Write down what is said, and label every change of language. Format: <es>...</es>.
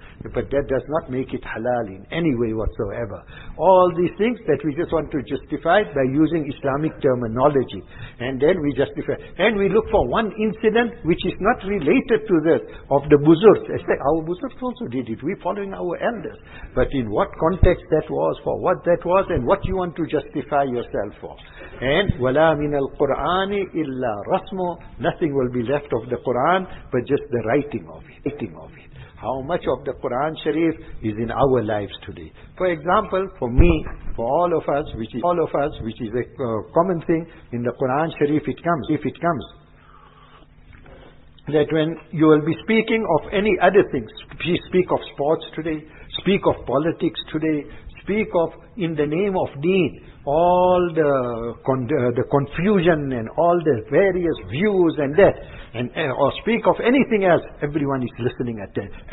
<en>But that does not make it halal in any way whatsoever. All these things that we just want to justify by using Islamic terminology. And then we justify. And we look for one incident which is not related to this of the buzurs. I say, our buzurs also did it. We're following our elders. But in what context that was, for what that was, and what you want to justify yourself for. And</en> <ar>وَلَا مِنَ الْقُرْآنِ إِلَّا رَسْمُ.</ar> <en>Nothing will be left of the Qur'an but just the writing of it. How much of the Qur'an Sharif is in our lives today? For example, for me, for all of us, which is a common thing, in the Qur'an Sharif it comes, that when you will be speaking of any other things, speak of sports today, speak of politics today, speak of in the name of deen, all the confusion and all the various views and that, or speak of anything else, everyone is listening at that.</en>